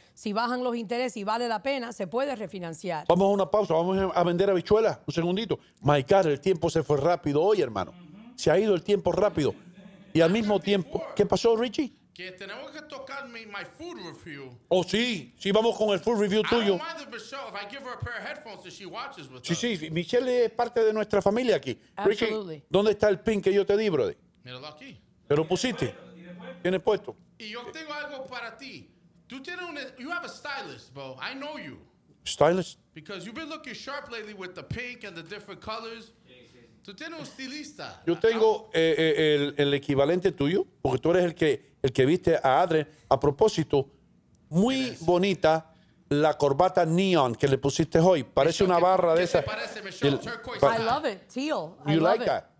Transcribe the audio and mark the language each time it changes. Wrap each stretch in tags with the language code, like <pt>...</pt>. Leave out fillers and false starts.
<es>Si bajan los intereses y vale la pena, se puede refinanciar. Vamos a una pausa, vamos a vender habichuelas, un segundito.</es> <en>My God,</en> <es>el tiempo se fue rápido hoy, hermano. Se ha ido el tiempo rápido. Y al mismo tiempo, ¿qué pasó, Richie? Que tenemos que tocar mi food review. Oh, sí, sí, vamos con el food review tuyo.</es> <en>I don't mind the show if I give her a pair of headphones that she watches with</en> <es>sí,</es> <en>us.</en> <es>Sí, sí, Michelle es parte de nuestra familia aquí.</es> <en>Absolutely.</en> <es>Richie, ¿dónde está el pin que yo te di, brody? Míralo aquí. ¿Te lo pusiste? ¿Tienes puesto? Y yo tengo algo para ti. Tú tienes un...</es> <en>You have a stylist, bro. I know you. Stylist? Because you've been looking sharp lately with the pink and the different colors.</en> <es>Tú tienes un estilista. Yo tengo el equivalente tuyo, porque tú eres el que viste a Adrien. A propósito, muy bonita la corbata neon que le pusiste hoy. Parece una barra de esa. ¿Qué te parece, Michelle? Turquoise.</es> <en>I love it. Teal. You like that?</en>